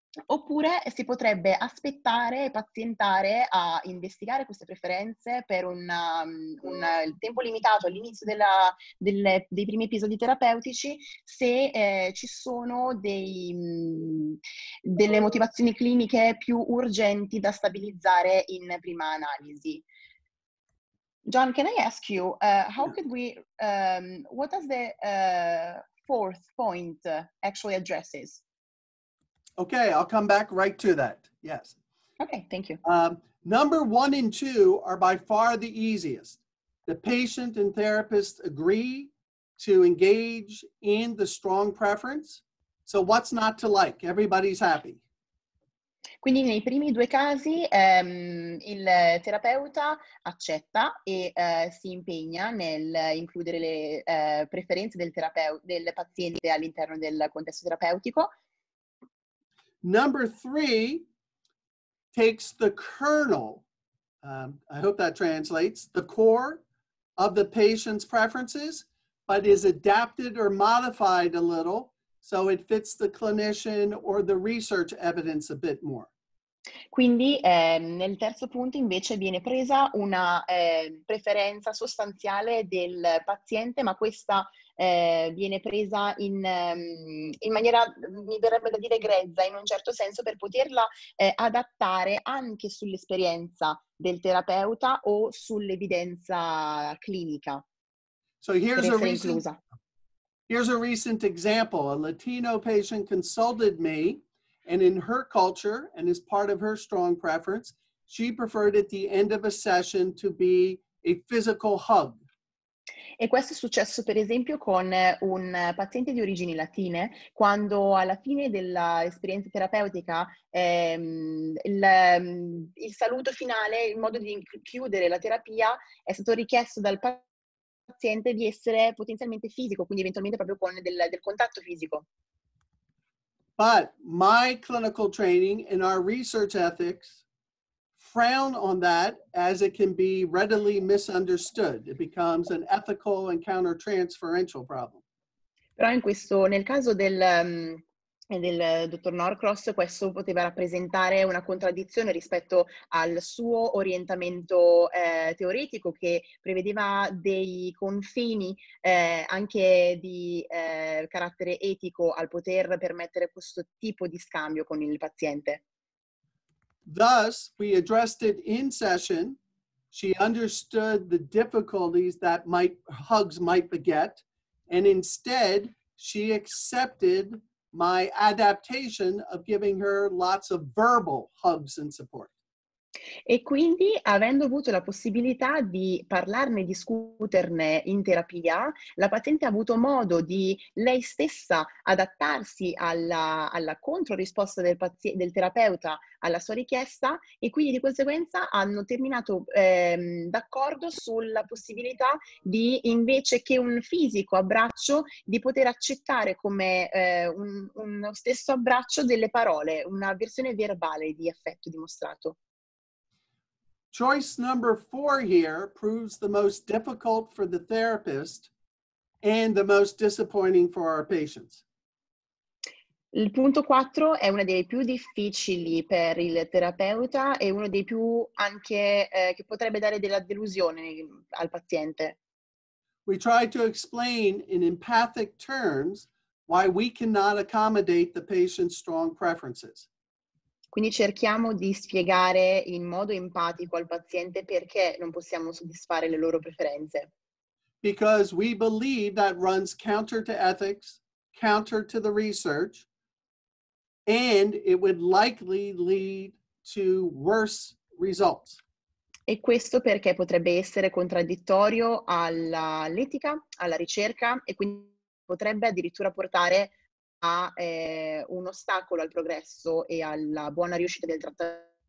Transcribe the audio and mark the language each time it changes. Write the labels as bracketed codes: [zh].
[it] Oppure si potrebbe aspettare e pazientare a investigare queste preferenze per un tempo limitato all'inizio dei primi episodi terapeutici se ci sono delle motivazioni cliniche più urgenti da stabilizzare in prima analisi. [en] John, can I ask you, how could we, what does the fourth point actually addresses? Okay, I'll come back right to that. Yes. Okay, thank you. Number one and two are by far the easiest. The patient and therapist agree to engage in the strong preference. So what's not to like? Everybody's happy. [it] Quindi nei primi due casi il terapeuta accetta e si impegna nel includere le preferenze del paziente all'interno del contesto terapeutico. [en] Number three takes the kernel, I hope that translates, the core of the patient's preferences, but is adapted or modified a little so it fits the clinician or the research evidence a bit more. [it] Quindi nel terzo punto invece viene presa una preferenza sostanziale del paziente, ma questa viene presa in maniera, mi verrebbe da dire, grezza in un certo senso, per poterla adattare anche sull'esperienza del terapeuta o sull'evidenza clinica. [en] So here's a recent example. A Latino patient consulted me, and in her culture, and as part of her strong preference, she preferred at the end of a session to be a physical hug. [it] E questo è successo, per esempio, con un paziente di origini latine, quando alla fine dell'esperienza terapeutica il saluto finale, il modo di chiudere la terapia, è stato richiesto dal paziente di essere potenzialmente fisico, quindi eventualmente proprio con del contatto fisico. [en] But my clinical training and our research ethics frown on that, as it can be readily misunderstood. It becomes an ethical and counter-transferential problem. [it] Però in questo, nel caso del dottor Norcross, questo poteva rappresentare una contraddizione rispetto al suo orientamento teoretico, che prevedeva dei confini anche di carattere etico al poter permettere questo tipo di scambio con il paziente. [en] Thus, we addressed it in session. She understood the difficulties that hugs might beget, and instead, she accepted my adaptation of giving her lots of verbal hugs and support. [it] E quindi, avendo avuto la possibilità di parlarne, discuterne in terapia, la paziente ha avuto modo di lei stessa adattarsi alla controrisposta del terapeuta alla sua richiesta, e quindi di conseguenza hanno terminato d'accordo sulla possibilità di, invece che un fisico abbraccio, di poter accettare come uno stesso abbraccio delle parole, una versione verbale di affetto dimostrato. [en] Choice number four here proves the most difficult for the therapist and the most disappointing for our patients. [it] Il punto 4 è una delle più difficili per il terapeuta e uno dei più anche che potrebbe dare della delusione al paziente. [en] We try to explain in empathic terms why we cannot accommodate the patient's strong preferences. [it] Quindi cerchiamo di spiegare in modo empatico al paziente perché non possiamo soddisfare le loro preferenze. [en] Because we believe that runs counter to ethics, counter to the research, and it would likely lead to worse results. [it] E questo perché potrebbe essere contraddittorio all'etica, alla ricerca, e quindi potrebbe addirittura portare a un ostacolo al progresso e alla buona riuscita del trattamento.